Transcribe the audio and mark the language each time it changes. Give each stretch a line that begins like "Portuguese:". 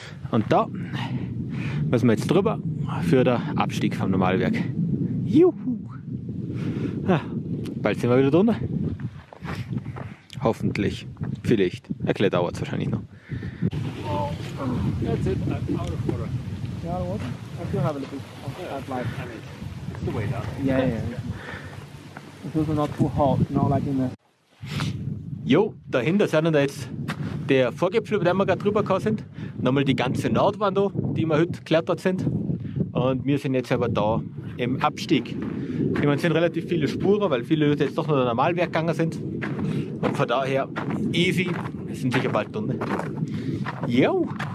German: Und da müssen wir jetzt drüber für den Abstieg vom Normalwerk. Juhu! Ja, bald sind wir wieder drunter. Hoffentlich. Vielleicht. Erklärt dauert es wahrscheinlich noch.
English: That's it. I'm out of water. Yeah, I still have a little bit of It's the way down. Yeah. It's also not too hot, not like in the...
German: Jo, dahinter sind wir jetzt der Vorgipfel, über den wir gerade drüber gekommen sind. Nochmal die ganze Nordwand, die wir heute geklettert sind. Und wir sind jetzt aber da im Abstieg. Ich meine, es sind relativ viele Spuren, weil viele Leute jetzt doch noch den Normalweg gegangen sind. Und von daher easy. Wir sind sicher bald drin. Jo!